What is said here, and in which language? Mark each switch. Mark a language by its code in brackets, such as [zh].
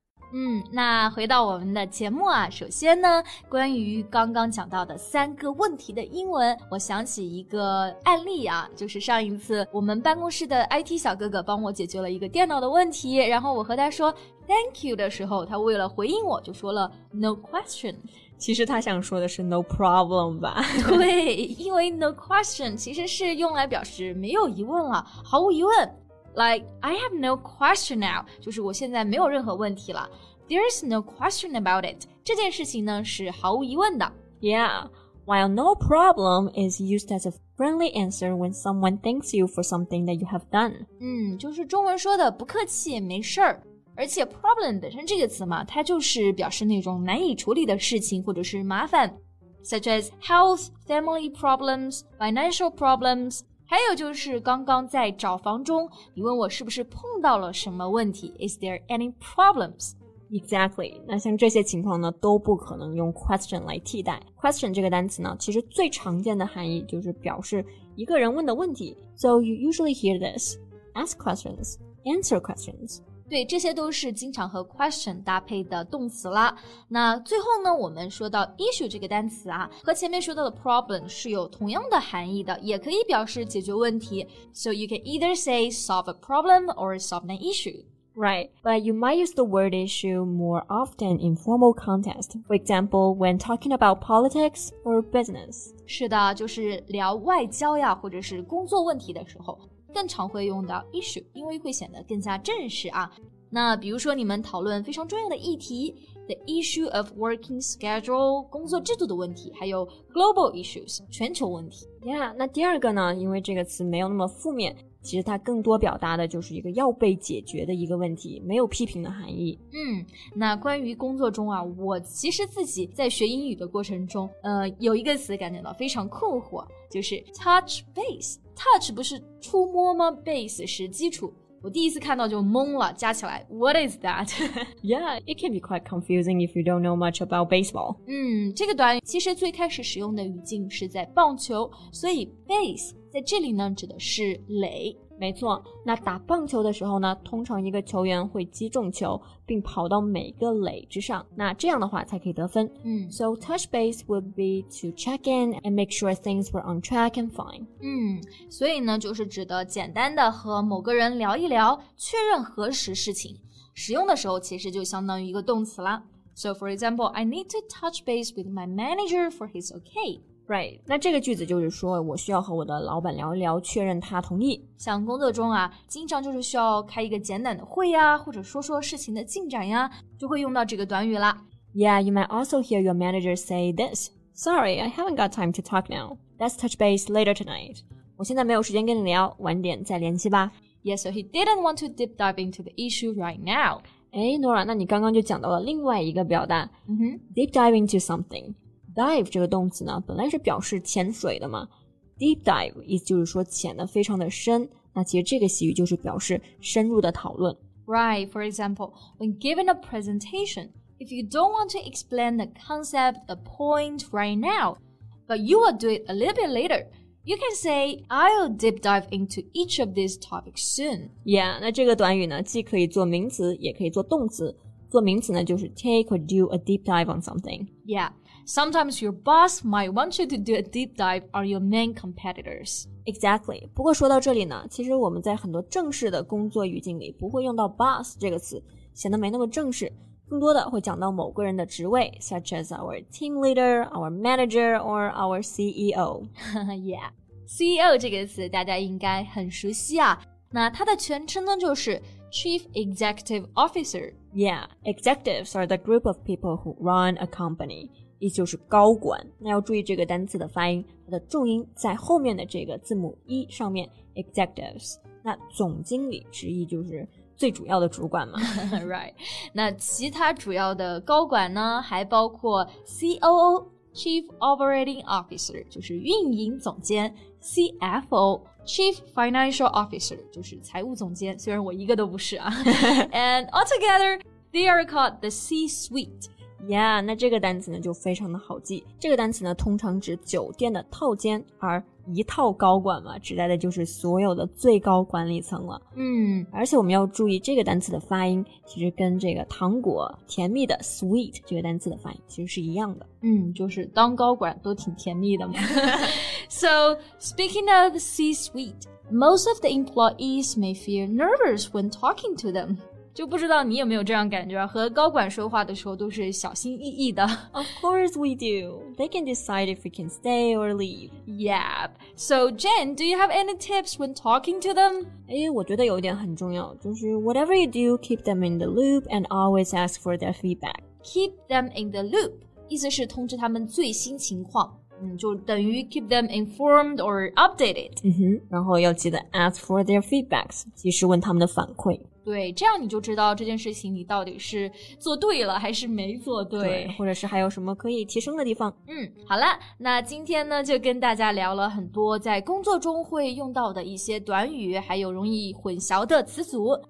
[zh] 嗯，那回到我们的节目啊，首先呢关于刚刚讲到的三个问题的英文，我想起一个案例啊，就是上一次我们办公室的 IT 小哥哥帮我解决了一个电脑的问题，然后我和他说 thank you 的时候，他为了回应我就说了 no question。其实他想说的是 no problem 吧？对，因为 no question 其实是用来表示没有疑问了，毫无疑问。 [en] Like, I have no question now. [zh] 就是我现在没有任何问题了。 [en] There's no question about it. [zh] 这件事情呢是毫无疑问的。 [en] Yeah, while no problem is used as a friendly answer when someone thanks you for something that you have done. [zh] 嗯，就是中文说的不客气，没事儿。而且 problem 本身这个词嘛，它就是表示那种难以处理的事情或者是麻烦。 [en] Such as health, family problems, financial problems, [zh] 还有就是刚刚在找房中，你问我是不是碰到了什么问题 ？ [en] Is there any problems? Exactly. [zh] 那像这些情况呢，都不可能用 question 来替代。 Question 这个单词呢，其实最常见的含义就是表示一个人问的问题。 [en] So you usually hear this: ask questions, answer questions. [zh] 对，这些都是经常和 question 搭配的动词啦。那最后呢，我们说到 issue 这个单词啊，和前面说到的 problem 是有同样的含义的，也可以表示解决问题。 [en] So you can either say solve a problem or solve an issue. Right, but you might use the word issue more often in formal context. For example, when talking about politics or business. [zh] 是的，就是聊外交呀，或者是工作问题的时候。更常会用到 issue， 因为会显得更加正式啊。那比如说你们讨论非常重要的议题 ， [en] the issue of working schedule， [zh] 工作制度的问题，还有 [en] global issues， [zh] 全球问题。 Yeah， 那第二个呢？因为这个词没有那么负面，其实它更多表达的就是一个要被解决的一个问题，没有批评的含义。嗯，那关于工作中啊，我其实自己在学英语的过程中，有一个词感觉到非常困惑，就是 touch base。Touch 不是触摸吗 ？Base 是基础。我第一次看到就懵了，加起来 [en] What is that? Yeah, it can be quite confusing if you don't know much about baseball. [zh] 这个短语其实最开始使用的语境是在棒球，所以 base 在这里呢指的是垒。没错，那打棒球的时候呢，通常一个球员会击中球，并跑到每个垒之上，那这样的话才可以得分。 [en] So touch base would be to check in and make sure things were on track and fine. [zh] 所以呢，就是指的简单的和某个人聊一聊，确认核实事情。使用的时候其实就相当于一个动词啦。 [en] So for example, I need to touch base with my manager for he's okay. [zh] Right, 那这个句子就是说我需要和我的老板聊一聊确认他同意。像工作中啊，经常就是需要开一个简短的会呀，或者说说事情的进展呀，就会用到这个短语了。 [en] Yeah, you might also hear your manager say this. Sorry, I haven't got time to talk now. Let's touch base later tonight. [zh] 我现在没有时间跟你聊，晚点再联系吧。 [en] Yeah, so he didn't want to deep dive into the issue right now. [zh] 诶 Nora, 那你刚刚就讲到了另外一个表达。 [en] Deep dive into something. [zh] Dive 这个动词呢，本来是表示潜水的嘛。Deep dive 意思就是说潜得非常的深。那其实这个习语就是表示深入的讨论。 [en] Right, for example, when given a presentation, if you don't want to explain the concept, a point right now, but you will do it a little bit later, you can say, I'll deep dive into each of these topics soon. [zh] Yeah, 那这个短语呢，既可以做名词，也可以做动词。做名词呢，就是 [en] take or do a deep dive on something. Yeah. Sometimes your boss might want you to do a deep dive on your main competitors. Exactly. [zh] 不过说到这里呢，其实我们在很多正式的工作语境里不会用到 boss 这个词，显得没那么正式，更多的会讲到某个人的职位， [en] such as our team leader, our manager, or our CEO. Yeah. [zh] CEO 这个词大家应该很熟悉啊。那它的全称呢就是 Chief Executive Officer. [en] Yeah. Executives are the group of people who run a company. [zh] 意思就是高管，那要注意这个单词的发音，它的重音在后面的这个字母 E 上面 Executives, 那总经理直译就是最主要的主管嘛 Right, 那其他主要的高管呢，还包括 COO, Chief Operating Officer, 就是运营总监 CFO, Chief Financial Officer, 就是财务总监，虽然我一个都不是啊 [en] And altogether, they are called the C-Suite [zh] Yeah, 那这个单词呢就非常的好记。这个单词呢通常指酒店的套间，而一套高管嘛，指代的就是所有的最高管理层了。而且我们要注意这个单词的发音，其实跟这个糖果甜蜜的 sweet 这个单词的发音其实是一样的。就是当高管都挺甜蜜的嘛。 [en] So, speaking of C-suite, most of the employees may feel nervous when talking to them. [zh] 就不知道你有没有这样感觉，和高管说话的时候都是小心翼翼的。 [en] Of course we do. They can decide if we can stay or leave. Yep. So, Jen, do you have any tips when talking to them? [zh] 我觉得有一点很重要，就是 [en] whatever you do, keep them in the loop and always ask for their feedback. Keep them in the loop, [zh] 意思是通知他们最新情况。就等于 [en] keep them informed or updated. [zh] 然后要记得 [en] ask for their feedbacks, [zh] 及时问他们的反馈。对，这样你就知道这件事情你到底是做对了还是没做对。对，或者是还有什么可以提升的地方。好了，那今天呢就跟大家聊了很多在工作中会用到的一些短语，还有容易混淆的词组。